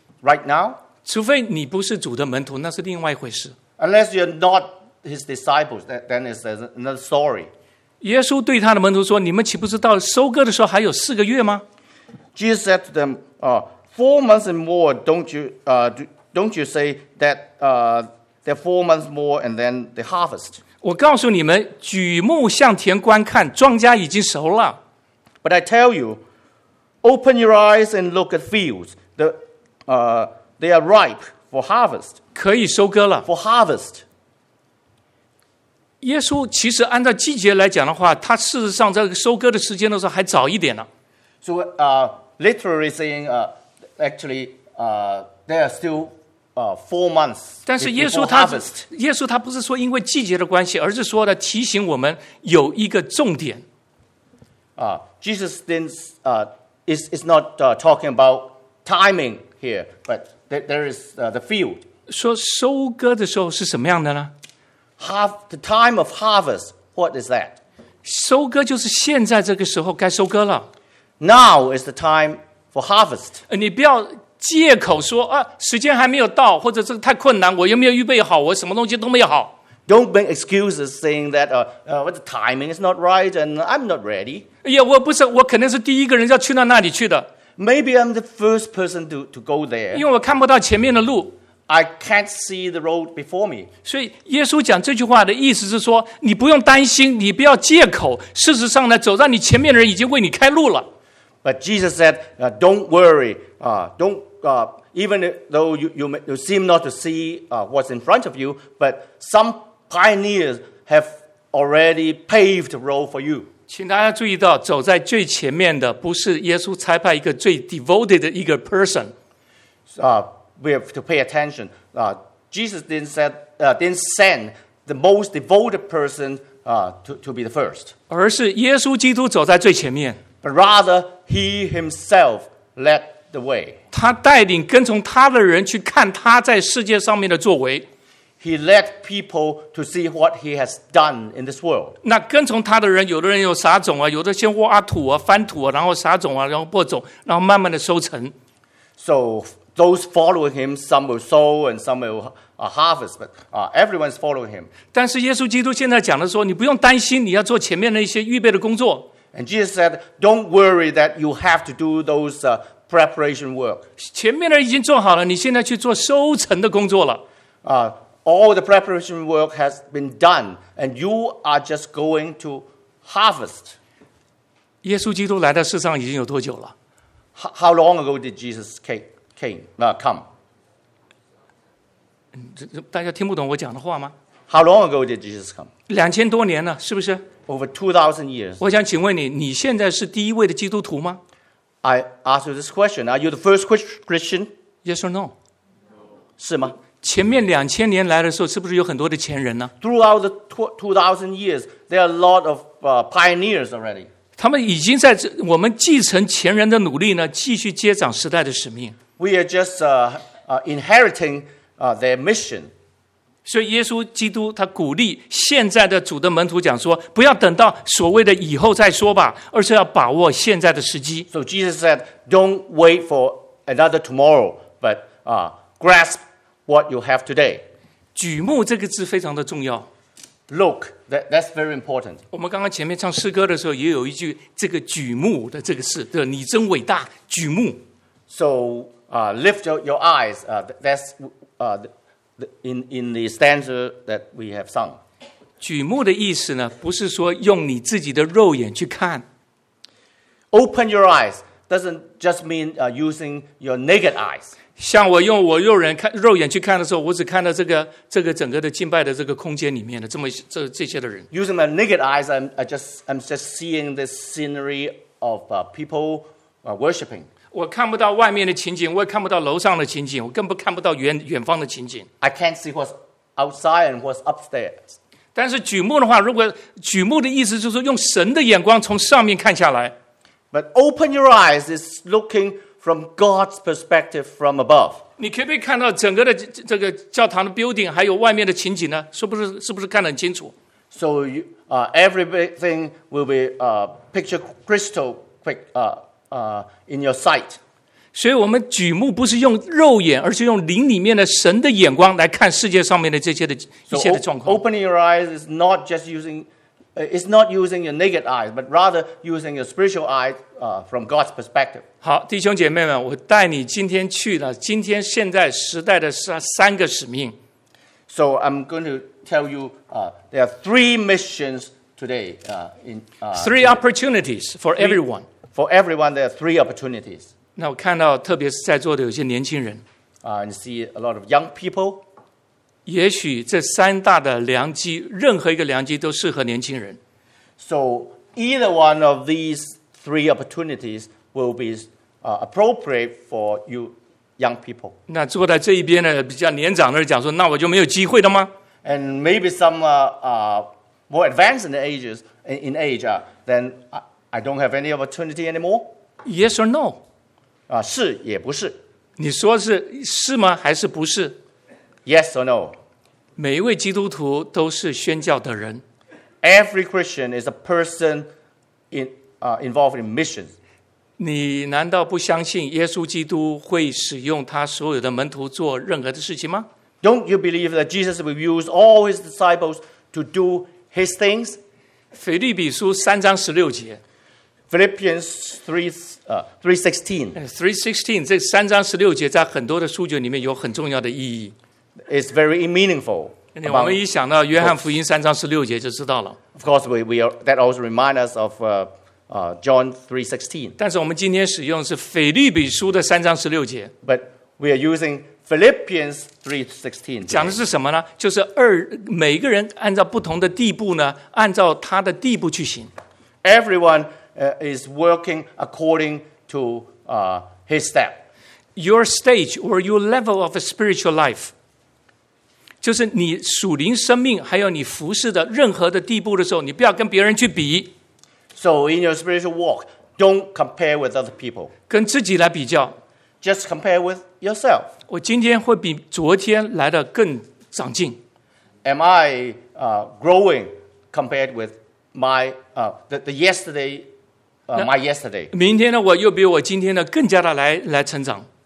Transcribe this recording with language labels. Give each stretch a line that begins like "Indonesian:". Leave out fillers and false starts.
English: Right now,
Chinese: 除非你不是主的门徒，那是另外一回事。
English: Unless you're not his disciples, then it's another story.
Chinese: 耶稣对他的门徒说：“你们岂不知道收割的时候还有四个月吗？”
English: Jesus said to them, "4 months and more. Don't you say that there are 4 months more and then the harvest?"
Chinese: 我告诉你们，举目向田观看，庄稼已经熟了。
English: But I tell you, open your eyes and look at fields. They are ripe for harvest.
Chinese: 可以收割了。
English: For harvest.
Chinese: 耶稣其实按照季节来讲的话，他事实上在收割的时间的时候还早一点呢。
English: So, literally saying, actually, there are still, 4 months.
Chinese: 但是耶稣他不是说因为季节的关系，而是说的提醒我们有一个重点。
English: Jesus thinks, is not talking about timing. Here, but there is the field.
Chinese: 说收割的时候是什么样的呢？
English: The time of harvest, what is that?
Chinese: 收割就是现在这个时候该收割了。
English: Now is the time for harvest.
Chinese: 你不要借口说啊，时间还没有到，或者这个太困难，我又没有预备好，我什么东西都没有好。
English: Don't make excuses saying that the timing is not right and I'm not ready.
Chinese: 哎呀，我不是，我肯定是第一个人要去到那里去的。
English: Maybe I'm the first person to go there.
Chinese: 因为我看不到前面的路。
English: I can't see the road before me.
Chinese: 所以耶稣讲这句话的意思是说，你不用担心，你不要借口。事实上呢，走在你前面的人已经为你开路了。
English: But Jesus said, "Don't worry, don't even though you seem not to see what's in front of you, but some pioneers have already paved the road for you.
Chinese: 请大家注意到，走在最前面的不是耶稣差派一个最
English: devoted
Chinese: 的一个
English: person. We have to pay attention. Jesus didn't send the most devoted person to be the first.
Chinese: 而是耶稣基督走在最前面。
English: But rather, he himself led the way.
Chinese: 他带领跟从他的人去看他在世界上面的作为。
English: He led people to see what he has done in this world.
Chinese: 那跟从他的人，有的人有撒种啊，有的先挖土啊，翻土啊，然后撒种啊，然后播种，然后慢慢的收成。
English: So those following him, some will sow and some will harvest, but everyone's following him.
Chinese: 但是耶稣基督现在讲的说，你不用担心，你要做前面那些预备的工作。
English: And Jesus said, "Don't worry that you have to do those preparation work."
Chinese: 前面的已经做好了，你现在去做收成的工作了。
English: All the preparation work has been done, and you are just going to harvest.
Chinese: 耶稣基督来到世上已经有多久了？
English: How long ago did Jesus come?
Chinese: 大家听不懂我讲的话吗？
English: How long ago did Jesus come?
Chinese: 2000多年了，是不是？
English: Over 2000 years.
Chinese: 我想请问你，你现在是第一位的基督徒吗？
English: I ask you this question. Are you the first Christian? Yes or no?
Chinese: 是吗？前面两千年来的时候，是不是有很多的前人呢
English: ？Throughout the 2000 years, there are a lot of pioneers already.
Chinese: 他们已经在我们继承前人的努力呢，继续接掌时代的使命。
English: We are just inheriting their mission.
Chinese: 所以耶稣基督他鼓励现在的主的门徒讲说，不要等到所谓的以后再说吧，而是要把握现在的时机。
English: So Jesus said, "Don't wait for another tomorrow, but grasp." What you have today.
Chinese: 举目这个字非常的重要。
English: Look, that's very important.
Chinese: 我们刚刚前面唱诗歌的时候也有一句这个举目的这个事，对，你真伟大，举目。
English: So, lift your eyes, that's in the stanza that we have sung.
Chinese: 举目的意思呢，不是说用你自己的肉眼去看。
English: Open your eyes doesn't just mean using your naked eyes.
Chinese: 像我用我肉眼去看的时候，我只看到这个整个的敬拜的这个空间里面的这些的人。
English: Using my naked eyes, I'm just seeing the scenery of people worshiping.
Chinese: 我看不到外面的情景，我也看不到楼上的情景，我更不看不到远方的情景。
English: I can't see what's outside and what's upstairs.
Chinese: 但是举目的话，如果举目的意思就是用神的眼光从上面看下来。
English: But open your eyes is looking. From God's perspective, from above.
Chinese: 你可不可以看到整个的这个教堂的 building， 还有外面的情景呢？是不是看得很清楚
English: ？So you, everything will be picture crystal quick in your sight.
Chinese: 所以我们举目不是用肉眼，而是用灵里面的神的眼光来看世界上面的这些的一切的状况。
English: So opening your eyes is not just using. It's not using your naked eyes, but rather using your spiritual eyes from God's perspective.
Chinese: 好，弟兄姐妹们，我带你今天去了今天现在时代的三个使命。
English: So I'm going to tell you there are three missions today. Three opportunities for everyone. For everyone, there are three opportunities.
Chinese: 那我看到特别是在座的有些年轻人。
English: And see a lot of young people.
Chinese: 也许这三大的良机，任何一个良机都适合年轻人。
English: So either one of these three opportunities will be appropriate for you young people.
Chinese: 那坐在这一边的比较年长的人讲说，那我就没有机会了吗
English: ？And maybe some more advanced in the ages in age, then I don't have any opportunity anymore. Yes or no?
Chinese: 是也不是。你说是吗？还是不是？
English: Yes or no?
Chinese: 每一位基督徒都是宣教的人。
English: Every Christian is a person involved in missions.
Chinese: 你难道不相信耶稣基督会使用他所有的门徒做任何的事情吗？
English: Don't you believe that Jesus will use all his disciples to do his things?
Chinese: 腓立比书三章十六节。
English: Philippians 3:16.
Chinese: 3:16, 这三章十六节在很多的书卷里面有很重要的意义。
English: It's very meaningful.
Chinese: 我们一想到约翰福音三章十六节就知道了。
English: Of course, that also reminds us of John 3:16.
Chinese: 但是我们今天使用是腓立比书的三章十六节。
English: But We are using Philippians 3:16.
Chinese: 讲的是什么呢？就是二每个人按照不同的地步呢，按照他的地步去行。
English: Everyone is working according to his step. Your stage or your level of spiritual life.
Chinese: 就是你属灵生命还有你服事的任何的地步的时候，你不要跟别人去比。
English: So in your spiritual walk, don't compare with other people.
Chinese: 跟自己来比较。
English: Just compare with yourself.
Chinese: 我今天会比昨天来得更长进。
English: Am I growing compared with my yesterday?
Chinese: 明天呢，我又比我今天呢更加的来成长。